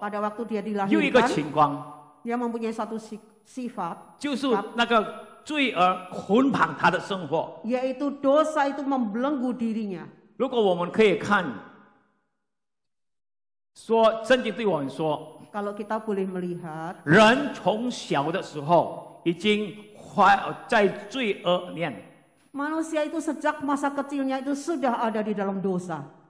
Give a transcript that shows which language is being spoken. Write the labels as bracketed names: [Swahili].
[Indonesian] pada waktu dia dilahirkan. Dia mempunyai satu sifat. [Chinese] 就是那个罪而捆绑他的生活. [Indonesian] Yaitu dosa itu membelenggu dirinya. [Chinese] 如果我们可以看, 说, 圣经对我们说, [Indonesian] kalau kita boleh melihat. [Chinese] 人从小的时候, 已经在罪恶念. [Indonesian] Manusia itu sejak masa kecilnya itu sudah ada di dalam dosa.